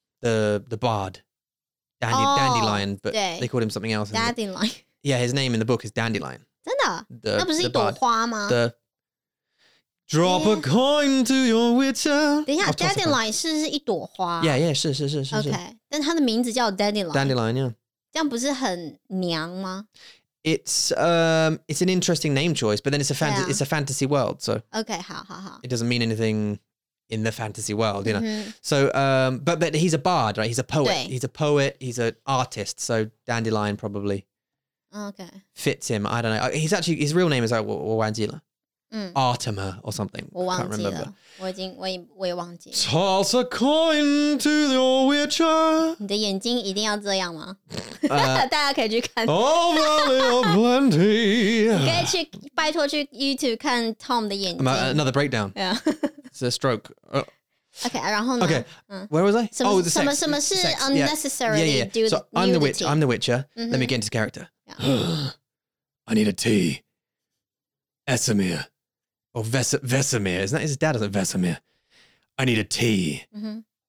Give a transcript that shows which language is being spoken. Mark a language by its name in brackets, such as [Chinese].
[English] The Bard. Dandelion. But they called him something else. Dandelion. Yeah, his name in the book is Dandelion. [Chinese] 真的?那不是一朵花吗? [English] Drop a coin to your Witcher. [Chinese] 等一下, Dandelion 是一朵花? [English] Yeah, [Chinese] 是。 [English] Okay. [Chinese] 但他的名字叫 Dandelion. [English] Dandelion, yeah. [Chinese] 这样不是很娘吗? [English] It's an interesting name choice, but then it's a fantasy world, so okay, [Chinese] 好。 [English] It doesn't mean anything in the fantasy world, you know. So, but he's a bard, right? He's a poet. He's a poet. He's an artist. So Dandelion probably fits him. I don't know. His real name is like Wanjila. Artemer or something. [Chinese] 我忘记了, [English] I can't remember. [Chinese] 我也忘记了. [English] Toss a coin to your witcher. [Chinese] 你的眼睛一定要这样吗? 大家可以去看. [English] Oh, valley of plenty. [Chinese] 你可以去拜托去 YouTube 看 Tom的眼睛. [English] Another breakdown. Yeah. It's a stroke. Okay, [Chinese] 然后呢? [English] Okay, where was I? [Chinese] 什么, [English] oh, the sex. [Chinese] 什么是 [English] sex, unnecessarily yeah. do so nudity? I'm the witcher. Mm-hmm. Let me get into character. Yeah. I need a tea. Esamir. Or Vesemir. Isn't that his dad? Isn't Vesemir? I need a tea. Mm-hmm.